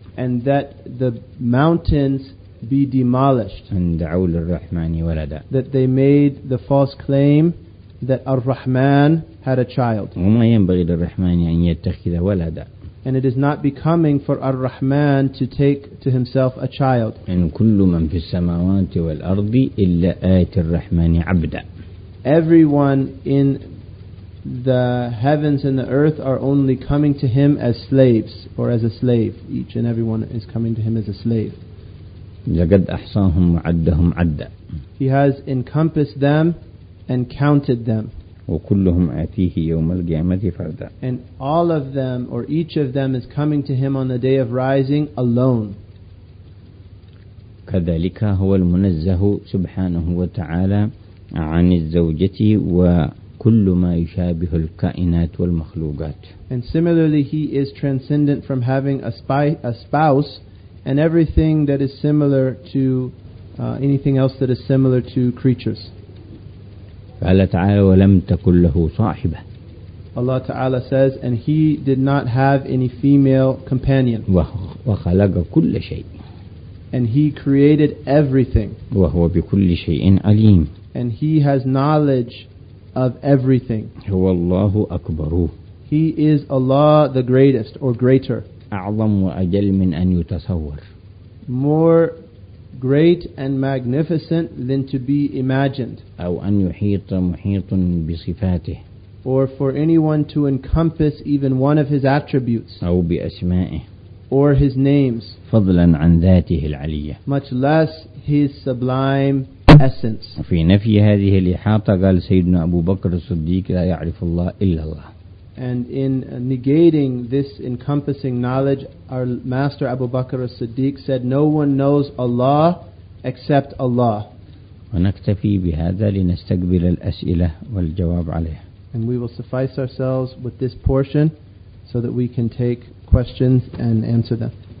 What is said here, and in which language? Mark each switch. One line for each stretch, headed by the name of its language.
English: And that the mountains be demolished.
Arabic: أن دعوا للرحمن ولدا.
English: That they made the false claim that Ar-Rahman had a child.
Arabic: وما ينبغي للرحمن أن يتخذ ولدا.
English: And it is not becoming for Ar-Rahman to take to himself a child.
Arabic: إن كل من في السماوات والأرض إلا آت الرحمن عبدا.
English: Everyone in the heavens and the earth are only coming to him as slaves or as a slave. Each and everyone is coming to him as a slave.
Arabic: لقد أحصاهم وعدهم عدا.
English: He has encompassed them and counted them.
Arabic: وكلهم آتيه يوم القيامة فردا.
English: And all of them or each of them is coming to him on the day of rising alone.
Arabic: كذلك هو المنزه سبحانه وتعالى عن الزوجة و كل ما يشابه الكائنات والمخلوقات.
English: And similarly, he is transcendent from having a spouse and everything that is similar to anything else that is similar to creatures.
Arabic: قال تعالى ولم تكن له صاحبة.
English: Allah Ta'ala says, and he did not have any female companion.
Arabic: وخلق كل شيء.
English: And he created everything.
Arabic: وهو بكل شيء عليم.
English: And he has knowledge of everything.
Arabic: هو الله أكبر.
English: He is Allah the greatest or greater.
Arabic: أعظم وأجل من أن يتصور.
English: More great and magnificent than to be imagined.
Arabic: أو أن يحيط محيط بصفاته.
English: Or for anyone to encompass even one of his attributes.
Arabic: أو بأسمائه.
English: Or his names.
Arabic: فضلا عن ذاته العلية.
English: Much less his sublime essence.
Arabic: وفي نفي هذه الإحاطة قال سيدنا أبو بكر الصديق لا يعرف الله إلا الله.
English: And in negating this encompassing knowledge, our master Abu Bakr as-Siddiq said, no one knows Allah except Allah.
Arabic: ونكتفي بهذا لنستقبل الأسئلة والجواب عليها.
English: And we will suffice ourselves with this portion so that we can take questions and answer them.